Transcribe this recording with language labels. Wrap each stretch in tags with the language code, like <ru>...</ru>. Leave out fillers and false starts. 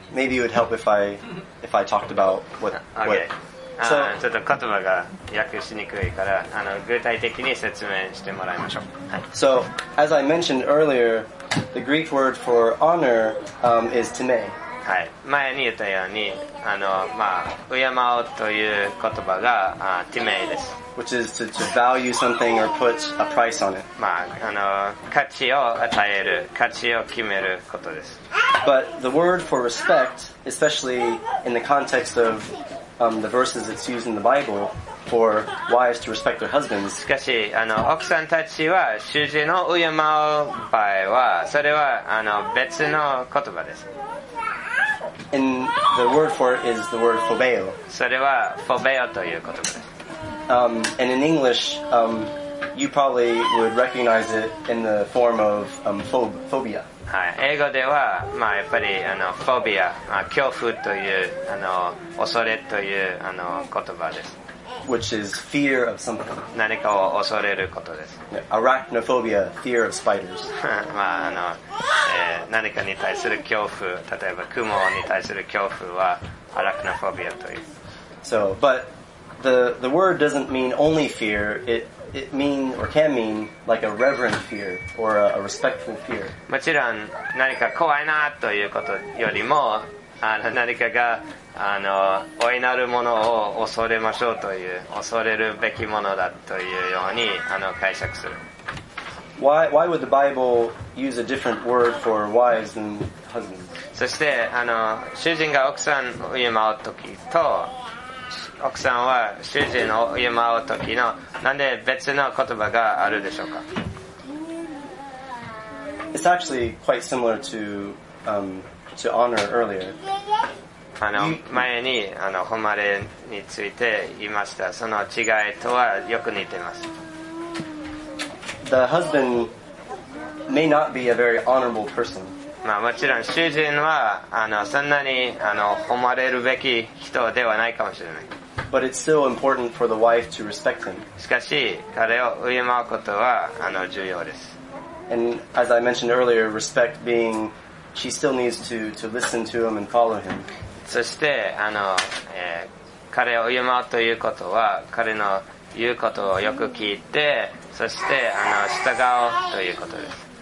<en>Maybe it would help if I talked about what. Okay.</en> <ja>So, ちょっと言葉が訳しにくいから、あの具体的に説明してもらいましょう。はい。</ja> <en>So, as I mentioned earlier, the Greek word for honor, is timē.</en> <ja>はい。前に言ったように、あのまあ敬うという言葉が timē です。</ja> <en>Which is to value something or put a price on it.</en> <ja>まああの価値を与える、価値を決めることです。</ja> <en>But the word for respect, especially in the context of the verses it's used in the Bible for wives to respect their husbands.</en> <ja>しかし、あの奥さんたちは主人の敬う場合は、それはあの別の言葉です。</ja> <en>And the word for it is the word phobeo.</en> <ja>それはフォベオという言葉です。</ja> <en>And in English, you probably would recognize it in the form of phobia.</en> <ja>はい、英語ではまあやっぱりあのフォビア、まあ、恐怖というあの恐れというあの言葉です。</ja> <en>Which is fear of something.</en> <ja>何かを恐れることです。</ja> <en>Arachnophobia, fear of spiders.</en> <ja>まああの、何かに対する恐怖、例えば蜘蛛に対する恐怖はアラクノフォビアという。</ja> <en>So, but the word doesn't mean only fear. It mean or can mean like a reverent fear or a respectful fear.</en> <ja>もちろん何か怖いなということよりも、あの何かがあの老いなるものを恐れましょうという恐れるべきものだというようにあの解釈する。</ja> <en>Why would the Bible use a different word for wives than husbands?</en> <ja>そしてあの主人が奥さんを敬うときと。奥さんは主人を敬うときのなんで別の言葉があるでしょうか。</ja> <en>It's actually quite similar to honor earlier.</en> <ja>あの前にあの誉れについて言いました。その違いとはよく似ています。</ja> <en>The husband may not be a very honorable person.</en> <ja>まあ、もちろん主人はあのそんなにあの誉れるべき人ではないかもしれない。</ja> <en>But it's still important for the wife to respect him.</en> <ja>しかし彼を敬うことはあの重要です。</ja> <en>And as I mentioned earlier, respect being, she still needs to listen to him and follow him.</en> <ja>そしてあの、彼を敬うということは彼の言うことをよく聞いて、そしてあの従うということです。</ja>